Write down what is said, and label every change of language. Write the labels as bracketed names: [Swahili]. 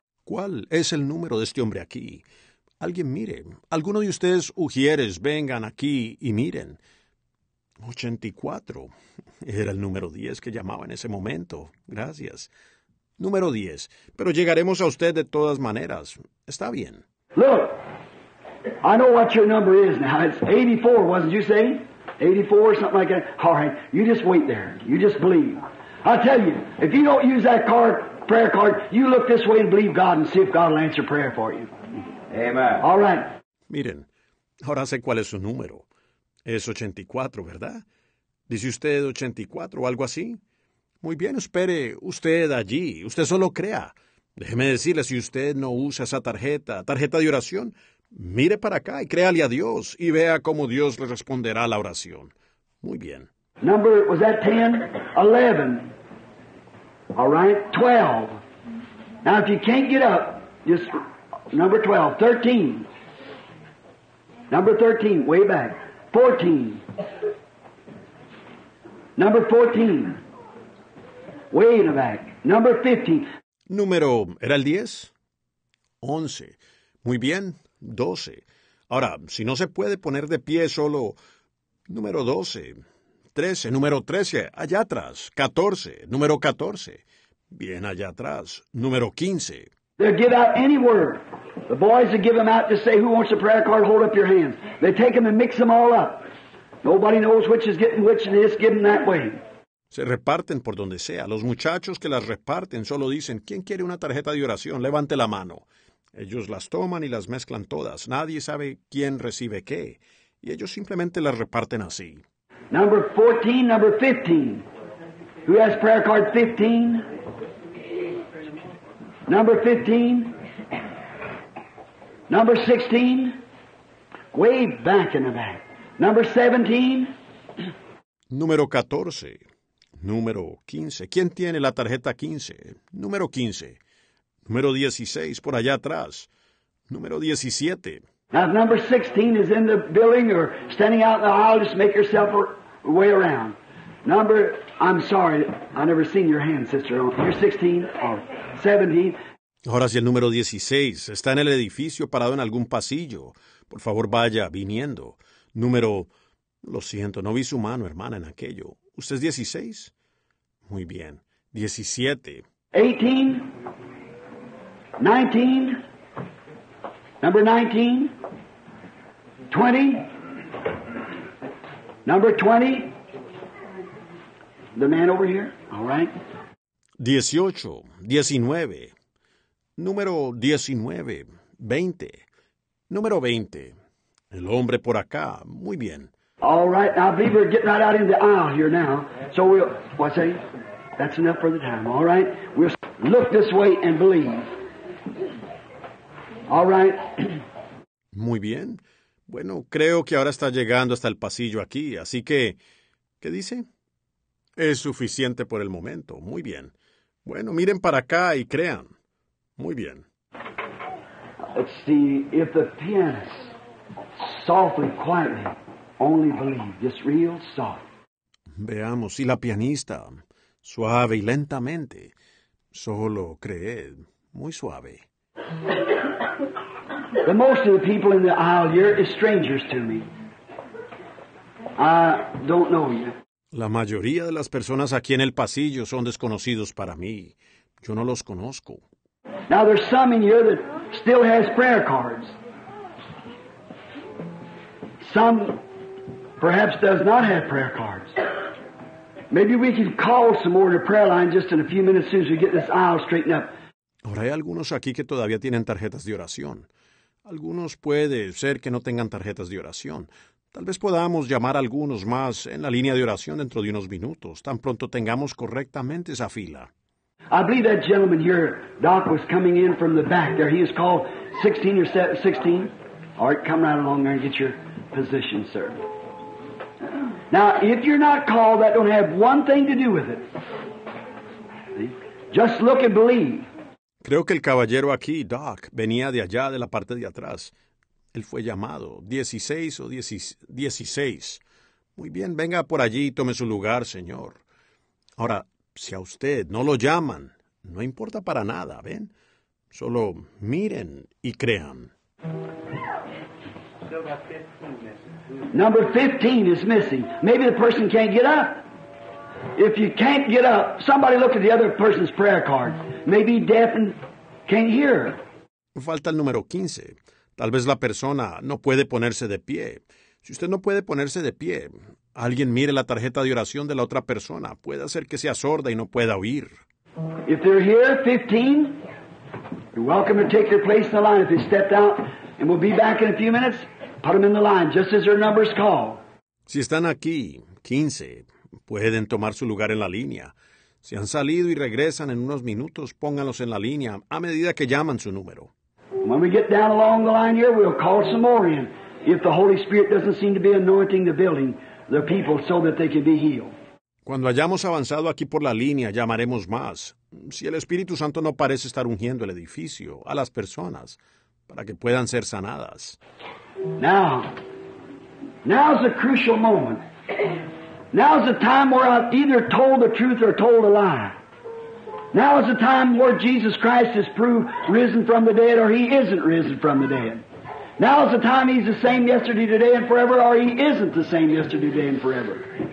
[Spanish] ¿Cuál es el número de este hombre aquí? Alguien mire. Alguno de ustedes, ujieres, vengan aquí y miren. 84. Era el número 10 que llamaba en ese momento. Gracias. Número 10. Pero llegaremos a usted de todas maneras. Está bien. [English] Look, I know what your number is now. It's 84, wasn't you say? 84 or something like that. All right. You just wait there. You just believe. I tell you, if you don't use that card, prayer card, you look this way and believe God and see if God will answer prayer for you. Amen. All right. [Spanish] Miren, ahora sé cuál es su número. Es 84, ¿verdad? Dice usted 84 o algo así. Muy bien, espere usted allí. Usted solo crea. Déjeme decirle, si usted no usa esa tarjeta de oración, mire para acá y créale a Dios y vea cómo Dios le responderá a la oración. Muy bien. [English] Number, was that 10? 11. All right, 12. Now, if you can't get up, just... Number 12, 13. Number 13, way back. 14. Number 14, way in the back. Number 15. [Spanish] Número, ¿era el 10? 11. Muy bien, 12. Ahora, si no se puede poner de pie solo, número 12, 13, número 13, allá atrás, 14, número 14, bien allá atrás, número 15. [English] They'll give out any word. The boys will give them out to say, who wants a prayer card, hold up your hands. They take them and mix them all up. Nobody knows which is getting which, and it's given that way. [Spanish] Se reparten por donde sea. Los muchachos que las reparten solo dicen, ¿quién quiere una tarjeta de oración? Levante la mano. Ellos las toman y las mezclan todas. Nadie sabe quién recibe qué. Y ellos simplemente las reparten así. [English] Number 14, number 15. Who has prayer card 15? Number 15. Number 16. Way back in the back. Number 17. [Spanish] Número 14. Número 15. ¿Quién tiene la tarjeta 15? Número 15. Número 16, por allá atrás. Número 17. [English] Now, if number 16 is in the building or standing out in the aisle, just make yourself way around. Number, I'm sorry, I never seen your hand, sister. You're 16 or 17. [Spanish] Ahora, si el número 16 está en el edificio parado en algún pasillo, por favor vaya viniendo. Número, lo siento, no vi su mano, hermana, en aquello. ¿Usted es 16? Muy bien. 17. [English] 18. 19. Number 19. 20. Number 20. The man over here. All right. [Spanish] 18. 19. Número 19. 20. Número 20. El hombre por acá. Muy bien. [English] All right, I believe we're getting right out in the aisle here now. So we'll, what say? That's enough for the time, all right? We'll look this way and believe. All right. [Spanish] Muy bien. Bueno, creo que ahora está llegando hasta el pasillo aquí, así que, ¿qué dice? Es suficiente por el momento. Muy bien. Bueno, miren para acá y crean. Muy bien. [English] Let's see if the pianist softly, quietly. Only believe, just real soft. [Spanish] Veamos, si la pianista, suave y lentamente, solo creed, muy suave. [English] The most of the people in the aisle here is strangers to me. I don't know you. [Spanish] La mayoría de las personas aquí en el pasillo son desconocidos para mí. Yo no los conozco. [English] Now there's some in here that still has prayer cards. Some perhaps does not have prayer cards. Maybe we can call some more to prayer line just in a few minutes as soon as we get this aisle straightened up. [Spanish] Ahora hay algunos aquí que todavía tienen tarjetas de oración. Algunos puede ser que no tengan tarjetas de oración. Tal vez podamos llamar a algunos más en la línea de oración dentro de unos minutos, tan pronto tengamos correctamente esa fila. [English] I believe that gentleman here, Doc, was coming in from the back there. He is called 16 or 16. All right, come right along there and get your position, sir. Now, if you're not called, that don't have one thing to do with it. See? Just look and believe. [Spanish] Creo que el caballero aquí, Doc, venía de allá, de la parte de atrás. Él fue llamado. 16 o 16. Muy bien, venga por allí y tome su lugar, señor. Ahora, si a usted no lo llaman, no importa para nada, ¿ven? Solo miren y crean. [English] Number 15 is missing. Maybe the person can't get up. If you can't get up, somebody look at the other person's prayer card. Maybe deaf and can't hear. [Spanish] Falta el número 15. Tal vez la persona no puede ponerse de pie. Si usted no puede ponerse de pie, alguien mire la tarjeta de oración de la otra persona. Puede hacer que sea sorda y no pueda oír. [English] If they're here, 15, you're welcome to take your place in the line. If they stepped out, and we'll be back in a few minutes. Put them in the line, just as their numbers call. [Spanish] Si están aquí, 15, pueden tomar su lugar en la línea. Si han salido y regresan en unos minutos, pónganlos en la línea a medida que llaman su número. [English] When we get down along the line here, we'll call some more in. If the Holy Spirit doesn't seem to be anointing the building, the people, so that they can be healed. [Spanish] Cuando hayamos avanzado aquí por la línea, llamaremos más. Si el Espíritu Santo no parece estar ungiendo el edificio, a las personas, para que puedan ser sanadas. [English] Now's a crucial moment. Now's the time where I've either told the truth or told a lie. Now's the time where Jesus Christ is proved risen from the dead or he isn't risen from the dead. Now is the time he's the same yesterday, today, and forever, or he isn't the same yesterday, today, and forever.